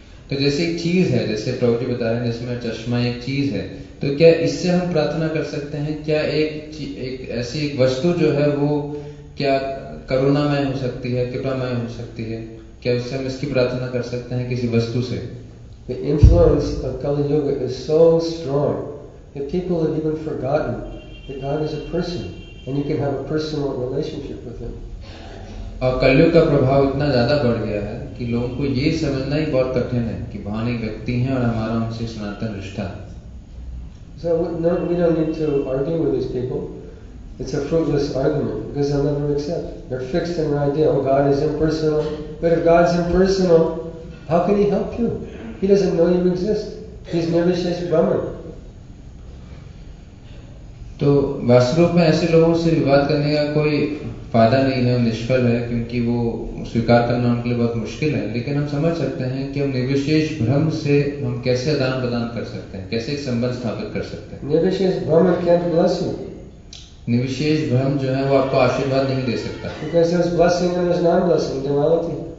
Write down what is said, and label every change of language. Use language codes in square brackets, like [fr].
[hi] तो जैसे एक चीज है, जैसे प्रभु जी बता रहे हैं, जैसे मेरा चश्मा एक चीज है, तो क्या इससे हम प्रार्थना कर सकते हैं? क्या एक ऐसी एक वस्तु जो है वो क्या करुणामय हो सकती है, कृपामय हो सकती है? क्या उससे हम इसकी प्रार्थना कर सकते हैं किसी वस्तु से? [en] The influence of Kali Yuga is so strong that people have even forgotten that God is a person and you can have a personal relationship with him. [hi] और कलयुग का प्रभाव इतना ज्यादा बढ़ गया है कि लोगों को ये समझना ही बहुत कठिन है कि भगवान एक व्यक्ति हैं और हमारा उनसे सनातन रिश्ता. [en] So no, we don't need to argue with these people. It's a fruitless argument because they'll never accept. They're fixed in their idea, oh, God is impersonal. But if God's impersonal, how can he help you? He doesn't know you exist. He's nirvishesh brahman. [hi] तो वास्तव में ऐसे लोगों से विवाद करने का कोई फायदा नहीं है, निष्फल है, क्योंकि वो स्वीकार करना उनके लिए बहुत मुश्किल है. लेकिन हम समझ सकते हैं कि हम निर्विशेष ब्रह्म से हम कैसे आदान प्रदान कर सकते हैं, कैसे एक संबंध स्थापित कर सकते हैं. [en] निर्विशेष ब्रह्म can't bless you. [hi] निर्विशेष ब्रह्म जो है वो आपको आशीर्वाद नहीं दे सकता. [en] Because there's blessing and there's non-blessing, duality.